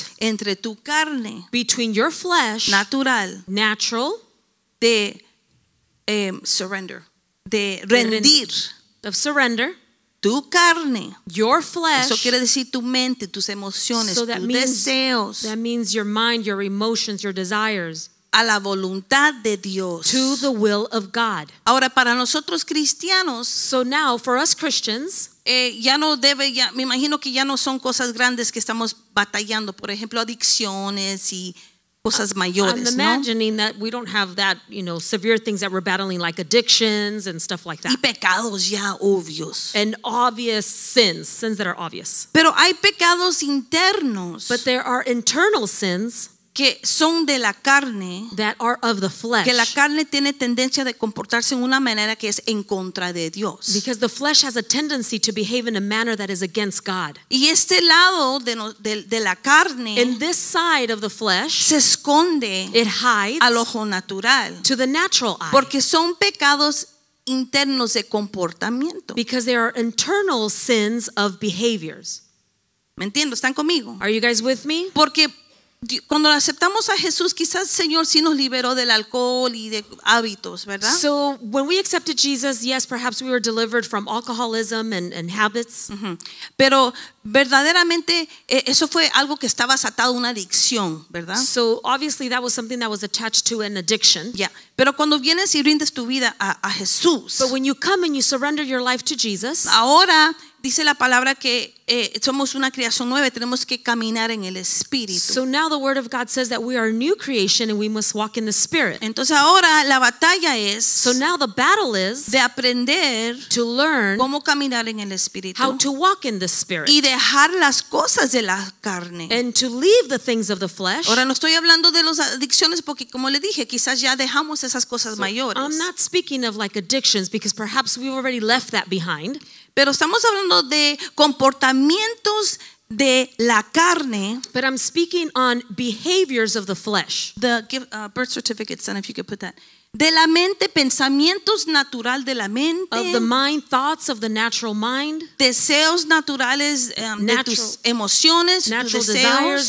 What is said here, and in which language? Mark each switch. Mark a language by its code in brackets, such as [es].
[es] Entre tu carne. [en] Between your flesh. [es] Natural. [en] Natural. [es] De surrender. De rendir. [en] Of surrender. [es] Tu carne. [en] Your flesh. [es] Eso quiere decir tu mente, tus emociones, tus deseos. [en] That means your mind, your emotions, your desires. [es] A la voluntad de Dios. [en] To the will of God. [es] Ahora, para nosotros cristianos. [en] So now, for us Christians. [es] Ya no debe, ya, me imagino que ya no son cosas grandes que estamos batallando. Por ejemplo, adicciones y cosas mayores, [en] I'm imagining, [es] ¿no? [en] That we don't have that, you know, severe things that we're battling, like addictions and stuff like that. [es] Y pecados ya obvios. [en] And obvious sins, sins that are obvious. [es] Pero hay pecados internos. [en] But there are internal sins. [es] Que son de la carne. [en] That are of the flesh. [es] Que la carne tiene tendencia de comportarse en una manera que es en contra de Dios. [en] Because the flesh has a tendency to behave in a manner that is against God. [es] Y este lado de la carne. [en] And this side of the flesh. [es] Se esconde. [en] It hides. [es] Al ojo natural. [en] To the natural eye. [es] Porque son pecados internos de comportamiento. [en] Because they are internal sins of behaviors. [es] ¿Me entiendo? ¿Están conmigo? [en] Are you guys with me? [es] Porque cuando aceptamos a Jesús, quizás el Señor sí nos liberó del alcohol y de hábitos, ¿verdad? [en] So when we accepted Jesus, yes, perhaps we were delivered from alcoholism and habits. Uh-huh. [es] Pero verdaderamente eso fue algo que estaba atado a una adicción, ¿verdad? [en] So obviously that was something that was attached to an addiction. Yeah. [es] Pero cuando vienes y rindes tu vida a Jesús. [en] But when you come and you surrender your life to Jesus. [es] Ahora dice la palabra que somos una creación nueva, tenemos que caminar en el Espíritu. [en] So now the word of God says that we are a new creation and we must walk in the Spirit. [es] Entonces ahora la batalla es. [en] So now the battle is. [es] De aprender. [en] To learn. [es] Cómo caminar en el Espíritu. [en] How to walk in the Spirit. [es] Y dejar las cosas de la carne. [en] And to leave the things of the flesh. [es] Ahora no estoy hablando de las adicciones porque, como le dije, quizás ya dejamos esas cosas [en] so [es] mayores. [en] I'm not speaking of like addictions because perhaps we've already left that behind. [es] Pero estamos hablando de comportamientos de la carne. [en] But I'm speaking on behaviors of the flesh. The birth certificate, son, if you could put that. [es] De la mente, pensamientos natural de la mente. [en] Of the mind, thoughts of the natural mind. [es] Deseos naturales [en] natural, [es] de tus emociones. [en] Natural [es] tus deseos,